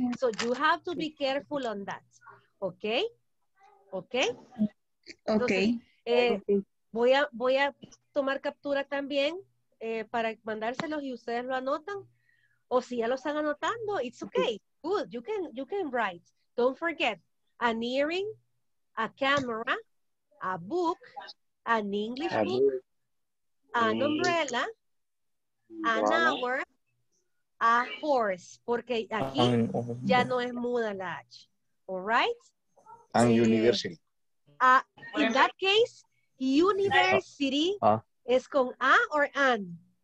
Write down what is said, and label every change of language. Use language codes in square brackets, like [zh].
[en] So you have to be careful on that. Ok. Okay. [es] Voy a tomar captura también para mandárselos y ustedes lo anotan. O si ya lo están anotando, [en] it's okay. Good. You can write. Don't forget. An earring, a camera, a book, an English book, an umbrella, an hour, a horse. [es] Porque aquí ya no es muda la H. [en] All right? And university. In that case, university is con a or an.